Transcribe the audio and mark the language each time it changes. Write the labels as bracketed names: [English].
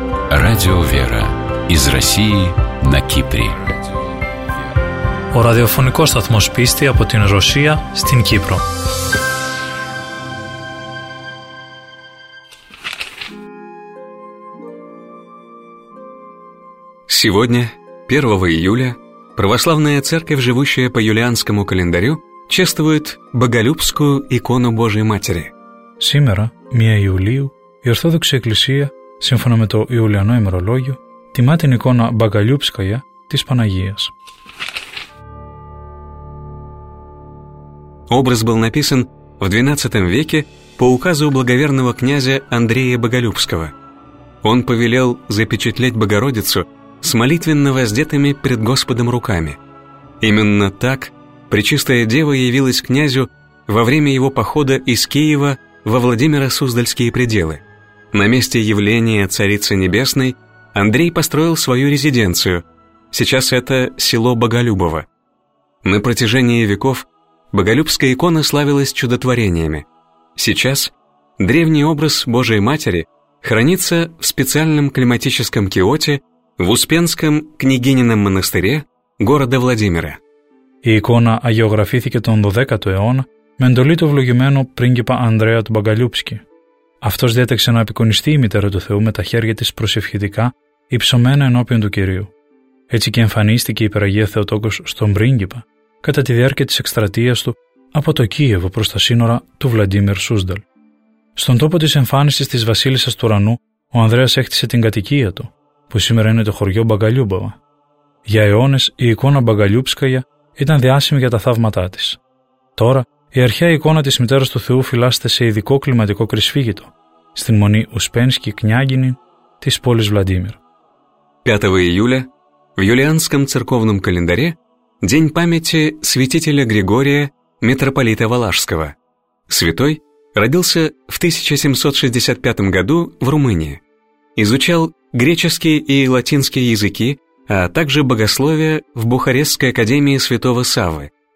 [Russian] Радио «Вера» из России на Кипре. [Greek] Ο ραδιοφωνικός σταθμός πίστη από την Ρωσία στην Κύπρο. [Russian] Сегодня, 1 июля, православная церковь, живущая по юлианскому календарю, чествует Боголюбскую икону Божией Матери. Сегодня, 1 июля, [Greek] η Ορθόδοξη Εκκλησία, σύμφωνα με το Ιουλιανό ημερολόγιο, τιμά την εικόνα Μπαγκαλιούπσκαγια της Παναγίας. [Russian] Образ был написан в 12 веке по указу благоверного князя Андрея Боголюбского. Он повелел запечатлеть Богородицу с молитвенно воздетыми пред Господом руками. Именно так Пречистая Дева явилась князю во время его похода из Киева во Владимиро-Суздальские пределы. На месте явления Царицы Небесной Андрей построил свою резиденцию. Сейчас это село Боголюбово. На протяжении веков Боголюбская икона славилась чудотворениями. Сейчас древний образ Божией Матери хранится в специальном климатическом киоте в Успенском княгинином монастыре города Владимира. [Greek] Η εικόνα αγιογραφήθηκε τον 12ο αιώνα με εντολή του ευλογημένου πρίγκιπα Ανδρέα του Μπαγκαλιούπσκη. Αυτός διέταξε να απεικονιστεί η μητέρα του Θεού με τα χέρια της προσευχητικά υψωμένα ενώπιον του Κυρίου. Έτσι και εμφανίστηκε η υπεραγία Θεοτόκος στον πρίγκιπα κατά τη διάρκεια της εκστρατείας του από το Κίεβο προς τα σύνορα του Βλαντίμιρ Σούσδαλ. Στον τόπο της εμφάνισης της Βασίλισσας του Ουρανού, ο Ανδρέας έκτισε την κατοικία του, που σήμερα είναι το χωριό Μπαγκαλιούμπαβα. Για αιώνες η εικόνα Μπαγκαλιούπσκαγια ήταν διάσημη για τα θαύματά της. Τώρα, η αρχαία εικόνα της Μητέρας του Θεού φυλάσσεται σε ειδικό κλιματικό κρυσφύγητο, στην μονή Ουσπένσκι Κνιάγκινη της πόλης Βλαντίμιρ. [Russian] 5 июля в юлианском церковном календаре день памяти святителя Григория, митрополита Валашского. Святой родился в 1765 году в Румынии. Изучал греческие и латинские языки, а также богословие в Бухарестской академии святого Саввы.